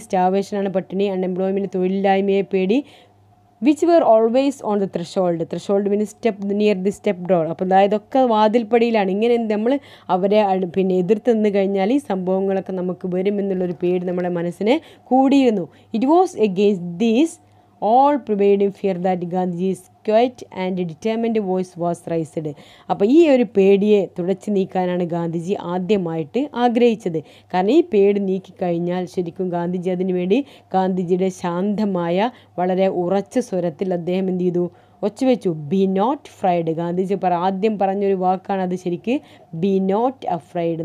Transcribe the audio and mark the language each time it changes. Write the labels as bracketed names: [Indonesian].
[Malayalam] സ്റ്റാർവേഷനാണ് പട്ടിണി. [English] unemployment, [Malayalam] തൊഴിലില്ലായ്മയെ പേടി. [English] Which were always on the threshold, threshold mean step near the step door. [Malayalam] അപ്പോൾ അതായതൊക്കെ വാതിൽപ്പടിയിലാണ്. ഇങ്ങനെ നമ്മൾ അവരെ പിന്നെ എതിർത്ത് നിന്ന് കഴിഞ്ഞാൽ ഈ സംഭവങ്ങളൊക്കെ നമുക്ക് വരുമെന്നുള്ളൊരു പേടി നമ്മുടെ മനസ്സിനെ കൂടിയിരുന്നു. [English] It was against these all pervading fear that Gandhi's quiet and determined voice was raised. [Malayalam] അപ്പോൾ ഈ ഒരു പേടിയെ തുടച്ചു നീക്കാനാണ് ഗാന്ധിജി ആദ്യമായിട്ട് ആഗ്രഹിച്ചത്. കാരണം ഈ പേടി നീക്കിക്കഴിഞ്ഞാൽ ശരിക്കും ഗാന്ധിജി അതിനു വേണ്ടി ഗാന്ധിജിയുടെ ശാന്തമായ വളരെ ഉറച്ച സ്വരത്തിൽ അദ്ദേഹം എന്ത് ചെയ്തു, ഒച്ചുവെച്ചു, [English] Be not afraid. [Malayalam] ഗാന്ധിജി ആദ്യം പറഞ്ഞൊരു വാക്കാണ് അത് ശരിക്ക്, [English] Be not afraid.